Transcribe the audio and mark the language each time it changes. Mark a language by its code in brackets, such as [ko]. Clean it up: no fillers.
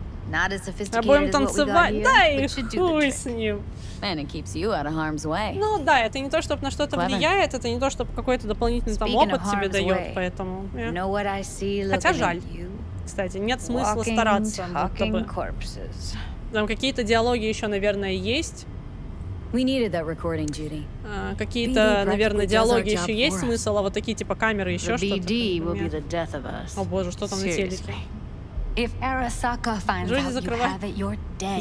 [en] Not as sophisticated as what we got here, but should do the trick. And it keeps you out of harm's way. [ru] Ну да, это не то, чтобы на что-то влияет, это не то, чтобы какой-то дополнительный там опыт тебе дает, поэтому. Хотя жаль. Кстати, нет смысла стараться, чтобы. Там какие-то диалоги еще, наверное, есть. [en] We needed that recording, Judy. [ru] Какие-то, наверное, диалоги еще есть смысл, а вот такие типа камеры еще что-то. [en] BD will be the death of us. [ru] О боже, что там на телеке? [en] If Arasaka finds out you have it, you're dead.